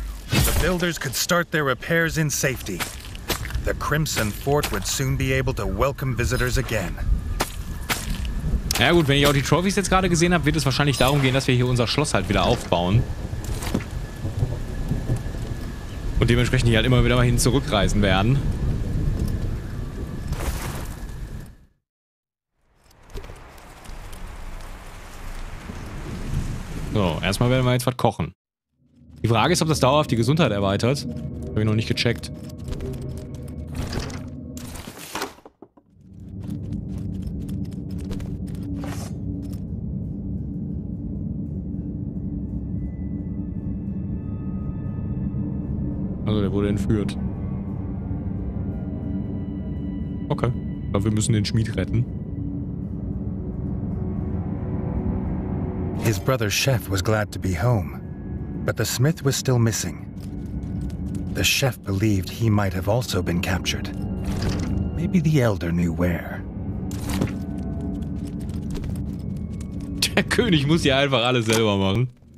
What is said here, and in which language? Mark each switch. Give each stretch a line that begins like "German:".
English: The builders could start their repairs in safety. The Crimson Fort would soon be able to welcome visitors again.
German: Ja gut, wenn ich auch die Trophys jetzt gerade gesehen habe, wird es wahrscheinlich darum gehen, dass wir hier unser Schloss halt wieder aufbauen. Und dementsprechend hier halt immer wieder mal hin zurückreisen werden. So, erstmal werden wir jetzt was kochen. Die Frage ist, ob das dauerhaft die Gesundheit erweitert. Habe ich noch nicht gecheckt. Also der wurde entführt. Okay. Aber wir müssen den Schmied retten.
English: His brother Chef was glad to be home, but the Smith was still missing. The Chef believed he might have also been captured. Maybe the Elder knew where.
German: Der König muss ja einfach alles selber machen.